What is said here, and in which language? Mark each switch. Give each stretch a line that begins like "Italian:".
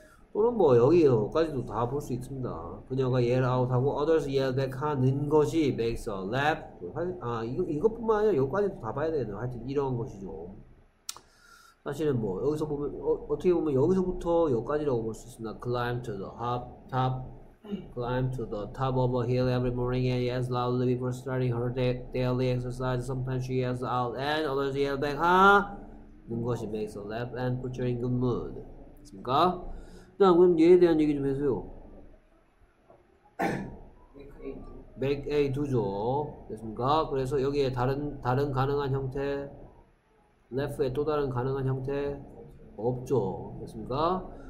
Korean: 또는 뭐 여기까지도 다 볼 수 있습니다. 그녀가
English: yell out
Korean: 하고
English: others yell back
Korean: 하는 것이
English: makes her laugh.
Korean: 아 이것뿐만 아니라 여기까지도 다 봐야 되는 하여튼 이런 것이죠. 사실은 뭐 여기서 보면 어떻게 보면 여기서부터 여기까지라고 볼 수 있습니다.
English: Climb to the top. Climb to the top of a hill every morning and yells loudly before starting her daily exercise. Sometimes she yells out and others yell back, huh?
Korean: 는 것이
English: makes her laugh and puts her in good mood.
Korean: 됐습니까? 자, 그럼 얘에 대한 얘기 좀 해주세요.
English: Make a do죠.
Korean: 됐습니까? 그래서 여기에 다른 가능한 형태, left에 또 다른 가능한 형태, 없죠. 됐습니까?